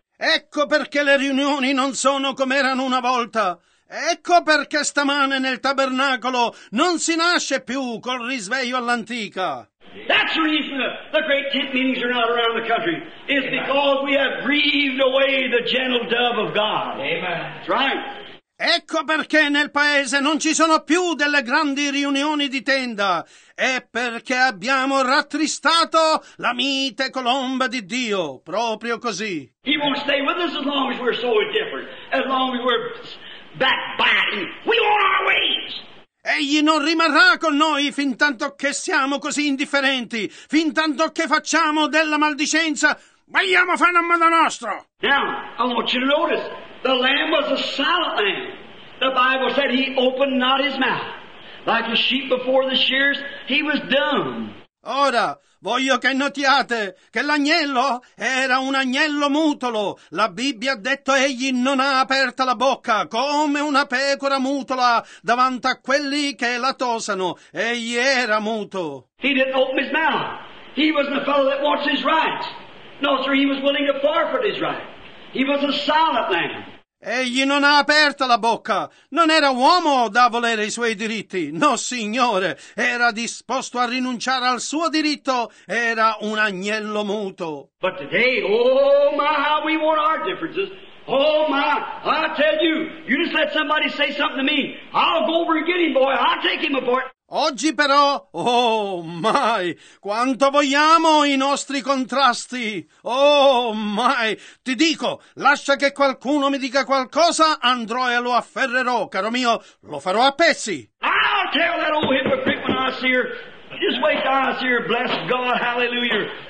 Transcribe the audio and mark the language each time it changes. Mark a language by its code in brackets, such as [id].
[it] Ecco perché le riunioni non sono come erano una volta. Ecco perché stamane nel tabernacolo non si nasce più col risveglio all'antica. [en] That's the reason the great tent meetings are not around the country. It's because we have grieved away the gentle dove of God. Amen. That's right. [it] Ecco perché nel paese non ci sono più delle grandi riunioni di tenda. È perché abbiamo rattristato la mite colomba di Dio. Proprio così. [en] He won't stay with us as long as we're so indifferent. As long as we're backbiting. We want our ways. [it] Egli non rimarrà con noi fin tanto che siamo così indifferenti. Fin tanto che facciamo della maldicenza. Vogliamo fare a modo nostro. [en] Now, I want you to notice. The lamb was a silent lamb. The Bible said he opened not his mouth. like a sheep before the shears, he was dumb. [it] Ora, voglio che notiate che l'agnello era un agnello mutolo. La Bibbia ha detto egli non ha aperta la bocca come una pecora mutola davanti a quelli che la tosano. Egli era muto. He didn't open his mouth. He wasn't a fellow that wants his rights. No, sir, he was willing to forfeit his rights. He was a silent man. Egli non ha aperta la bocca. Non era uomo da volere i suoi diritti. No, signore, era disposto a rinunciare al suo diritto. Era un agnello muto. [en] But today, oh my, how we want our differences. Oh my, I tell you, you just let somebody say something to me. I'll go over and get him, boy. I'll take him apart. [it] Oggi però, oh mai, quanto vogliamo i nostri contrasti, oh mai, ti dico, lascia che qualcuno mi dica qualcosa, andrò e lo afferrerò, caro mio, lo farò a pezzi. [en] I'll tell that old hypocrite when I see her, just wait till I see her, bless God, hallelujah.